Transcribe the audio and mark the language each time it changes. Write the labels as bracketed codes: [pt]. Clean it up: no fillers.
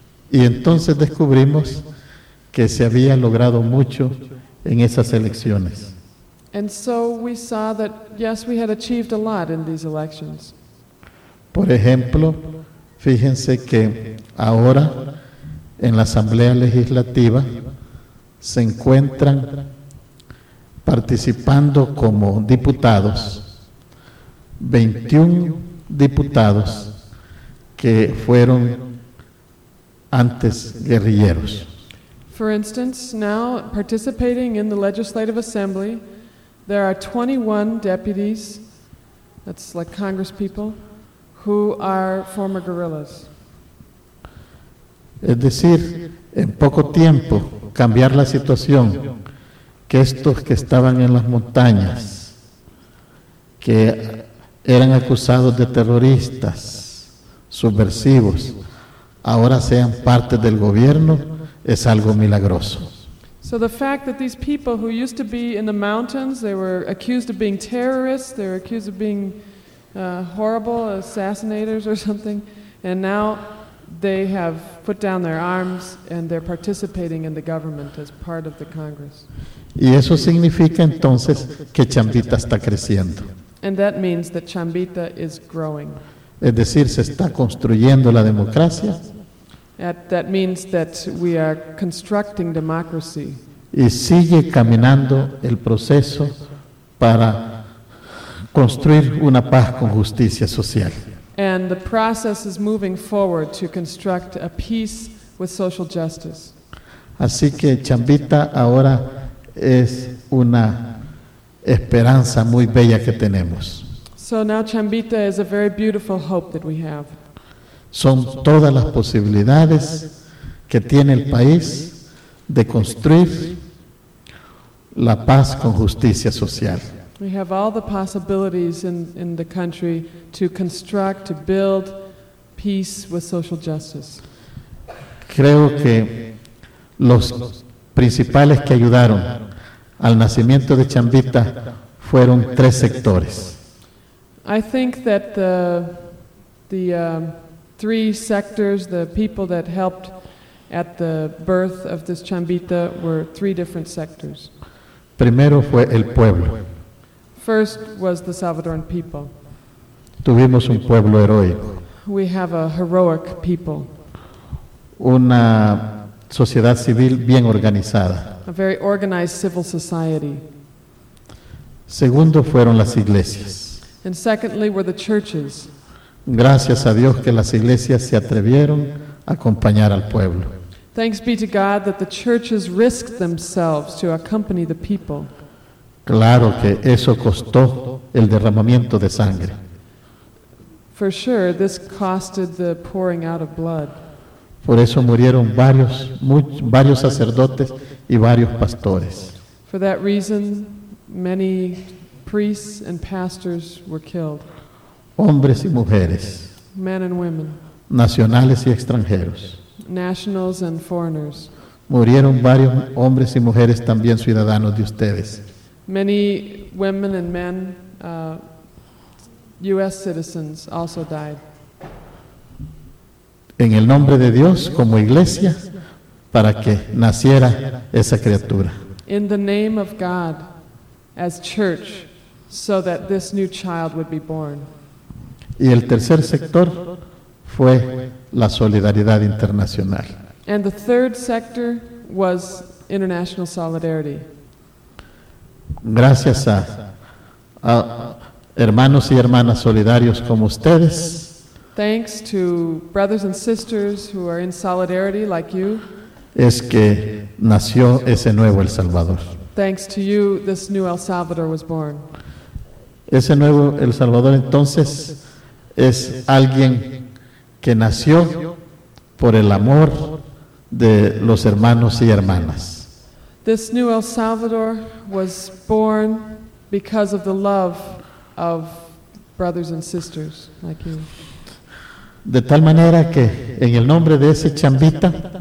[es] Y entonces descubrimos que se había logrado mucho en esas elecciones. [en] And so we saw that, yes, we had achieved a lot in these elections. [es] Por ejemplo, fíjense que ahora en la Asamblea Legislativa se encuentran participando como diputados 21 diputados que fueron antes guerrilleros. [en] For instance, now participating in the Legislative Assembly, there are 21 deputies, that's like congresspeople, who are former guerrillas. [es] Es decir, en poco tiempo, cambiar la situación, que estos que estaban en las montañas, que eran acusados de terroristas, subversivos, ahora sean parte del gobierno, es algo milagroso. [en] So the fact that these people who used to be in the mountains, they were accused of being terrorists, they were accused of being horrible assassinators or something, and now they have put down their arms and they're participating in the government as part of the Congress. [es] Y eso significa entonces que Chambita está creciendo. [en] And that means that Chambita is growing. [es] Es decir, se está construyendo la democracia. [en] That means that we are constructing democracy. [es] Y sigue caminando el proceso para construir una paz con justicia social. [en] And the process is moving forward to construct a peace with social justice. [es] Así que Chambita ahora es una esperanza muy bella que tenemos. [en] So now Chambita is a very beautiful hope that we have. [es] Son todas las posibilidades que tiene el país de construir la paz con justicia social. [en] We have all the possibilities in the country to construct, to build peace with social justice. [es] Creo que los principales que ayudaron al nacimiento de Chambita fueron tres sectores. [en] I think that the three sectors, the people that helped at the birth of this Chambita were three different sectors. [es] Primero fue el pueblo. [en] First was the Salvadoran people. [es] Tuvimos un pueblo heroico. [en] We have a heroic people. [es] Una sociedad civil bien organizada. [en] A very organized civil society. [es] Segundo fueron las iglesias. [en] And secondly were the churches. [es] Gracias a Dios que las iglesias se atrevieron a acompañar al pueblo. [en] Thanks be to God that the churches risked themselves to accompany the people. [es] Claro que eso costó el derramamiento de sangre. [en] For sure, this costed the pouring out of blood. [es] Por eso murieron varios sacerdotes y varios pastores. [en] For that reason, many priests and pastors were killed. [es] Hombres y mujeres. [en] Men and women. [es] Nacionales y extranjeros. [en] Nationals and foreigners. [es] Murieron varios hombres y mujeres también ciudadanos de ustedes. [en] Many women and men, U.S. citizens, also died. [es] En el nombre de Dios, como iglesia, para que naciera esa criatura. [en] In the name of God, as church, so that this new child would be born. [es] Y el tercer sector fue la solidaridad internacional. [en] And the third sector was international solidarity. [es] Gracias a hermanos y hermanas solidarios como ustedes. [en] Thanks to brothers and sisters who are in solidarity like you. [es] Es que nació ese nuevo El Salvador. [en] Thanks to you, this new El Salvador was born. [es] Ese nuevo El Salvador entonces es alguien que nació por el amor de los hermanos y hermanas. [en] This new El Salvador was born because of the love of brothers and sisters like you. [es] De tal manera que en el nombre de ese chambita.